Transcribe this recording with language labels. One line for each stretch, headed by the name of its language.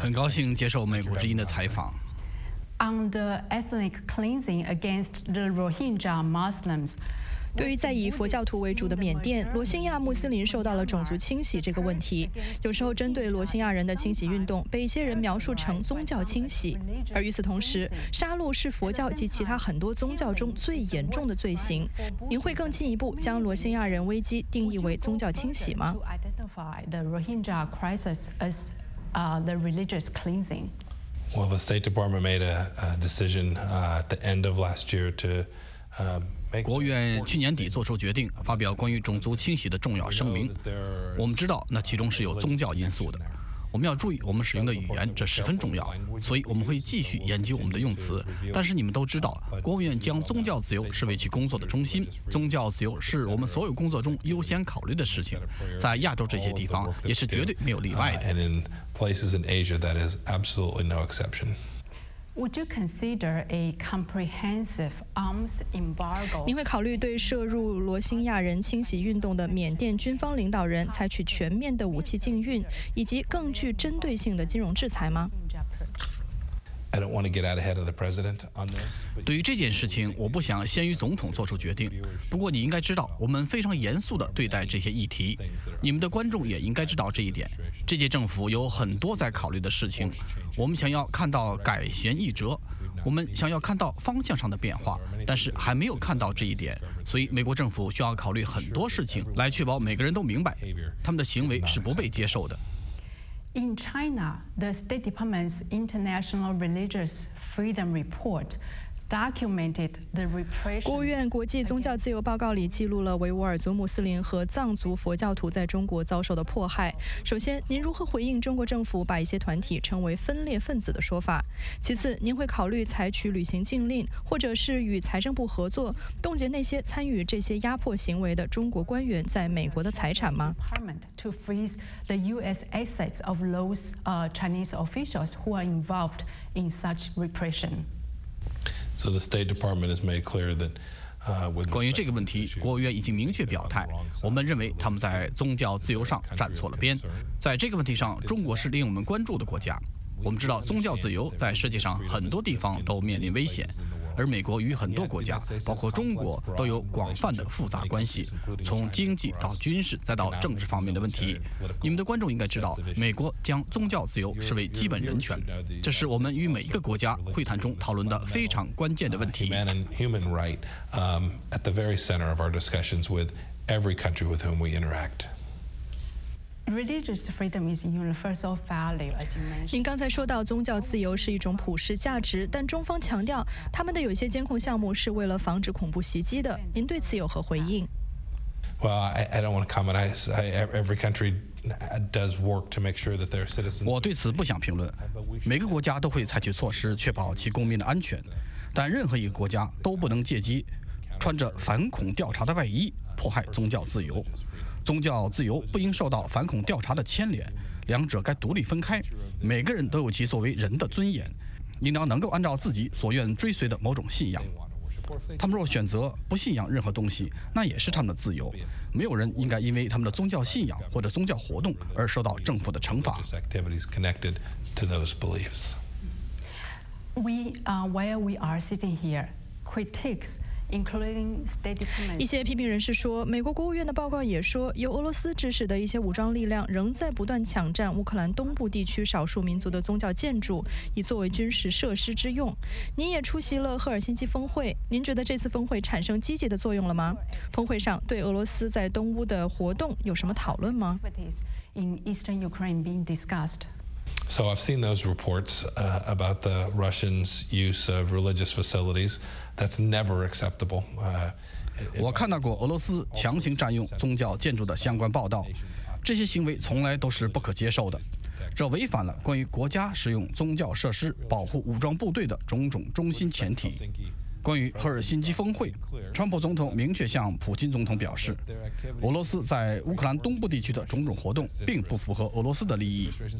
Chinese: 很高兴接受美国之音的采访。
English: On the ethnic cleansing against the Rohingya Muslims.
Chinese: 对于在以佛教徒为主的缅甸，罗兴亚穆斯林受到了种族清洗这个问题，有时候针对罗兴亚人的清洗运动被一些人描述成宗教清洗。而与此同时，杀戮是佛教及其他很多宗教中最严重的罪行。您会更进一步将罗兴亚人危机定义为宗教清洗吗？
English: Well, the State Department made a decision at the end of last year to.
Chinese: 国务院去年底作出决定，发表关于种族清洗的重要声明。我们知道那其中是有宗教因素的，我们要注意我们使用的语言，这十分重要，所以我们会继续研究我们的用词。但是你们都知道，国务院将宗教自由视为其工作的中心，宗教自由是我们所有工作中优先考虑的事情，在亚洲这些地方也是绝对没有例外的。
English: Would you consider a comprehensive arms embargo?
Chinese: 您会考虑对涉入罗兴亚人清洗运动的缅甸军方领导人采取全面的武器禁运，以及更具针对性的金融制裁吗？
English: I don't want to get out ahead of the president on this.
Chinese: 对于这件事情，我不想先于总统做出决定。不过你应该知道，我们非常严肃地对待这些议题。你们的观众也应该知道这一点。这届政府有很多在考虑的事情。我们想要看到改弦易辙，我们想要看到方向上的变化，但是还没有看到这一点。所以美国政府需要考虑很多事情，来确保每个人都明白，他们的行为是不被接受的。
English: In China, the State Department's International Religious Freedom Report documented the repression.
Chinese: 国务院国际宗教自由报告里记录了维吾尔族穆斯林和藏族佛教徒在中国遭受的迫害。首先，您如何回应中国政府把一些团体称为分裂分子的说法？其次，您会考虑采取旅行禁令，或者是与财政部合作，冻结那些参与这些压迫行为的中国官员在美国的财产吗？
English: So the State Department has made clear that, with
Chinese: 关于这个问题，国务院已经明确表态，我们认为他们在宗教自由上站错了边。在这个问题上，中国是令我们关注的国家。我们知道宗教自由在世界上很多地方都面临危险，而美国与很多国家，包括中国，都有广泛的复杂关系，从经济到军事再到政治方面的问题。你们的观众应该知道，美国将宗教自由视为基本人权，这是我们与每一个国家会谈中讨论的非常关键的问题。
English: Human right, at the very center of our discussions with every country with whom we interact. Religious freedom is universal value, as you mentioned.
Chinese: 您刚才说到宗教自由是一种普世价值，但中方强调他们的有些监控项目是为了防止恐怖袭击的。您对此有何回应
English: ？Well, I don't want to comment. Every country. Does work to make sure that their citizens.
Chinese: 我对此不想评论。每个国家都会采取措施确保其公民的安全，但任何一个国家都不能借机穿着反恐调查的外衣迫害宗教自由。宗教自由不应受到反恐调查的牵连，两者该独立分开。每个人都有其作为人的尊严，应当能够按照自己所愿追随的某种信仰。他们若选择不信仰任何东西，那也是他们的自由。没有人应该因为他们的宗教信仰或者宗教活动而受到政府的惩罚。
English: While we are sitting here, critics including State Department.
Chinese: 一些批评人士说，美国国务院的报告也说，由俄罗斯指使的一些武装力量仍在不断抢占乌克兰东部地区少数民族的宗教建筑，以作为军事设施之用。您也出席了赫尔辛基峰会，您觉得这次峰会产生积极的作用了吗？峰会上对俄罗斯在东乌的活动有什么讨论吗？
English: So I've seen those reports about the Russians' use of religious facilities. That's never acceptable.
Chinese: 我看到过俄罗斯强行占用宗教建筑的相关报道，这些行为从来都是不可接受的。这违反了关于国家使用宗教设施保护武装部队的种种中心前提。关于赫尔辛基峰会，川普总统明确向普京总统表示，俄罗斯在乌克兰东部地区的种种活动并不符合俄罗斯的利益。